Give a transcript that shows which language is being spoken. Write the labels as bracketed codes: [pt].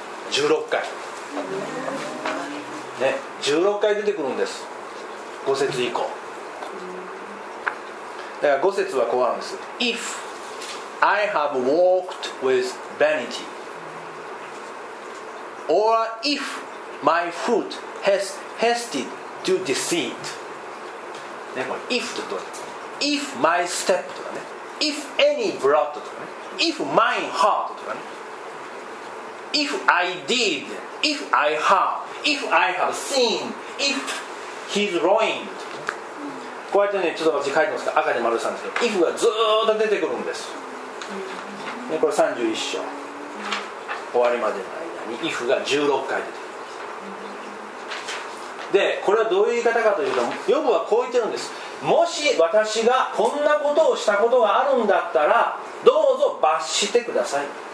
[ja] 16回、ね、16回出てくるんです、5節以降。だから5節はこうあるんです。 [en] IfI have walked with vanity, or if my foot has hasted to deceit. [ja] ね、これ if とか、 [en] if my step [ja] とかね、 [en] if any blood [ja] とかね、 [en] if my heart [ja] とかね、 [en] if I did, if I have, if I have seen, if he's ruined. [ja] こうやってね、ちょっと私書いてますか、赤で丸したんですけど、if がずっと出てくるんです。これ31章終わりまでの間に if が16回出てきます。で、これはどういう言い方かというと、ヨブはこう言ってるんです。もし私がこんなことをしたことがあるんだったら、どうぞ罰してください。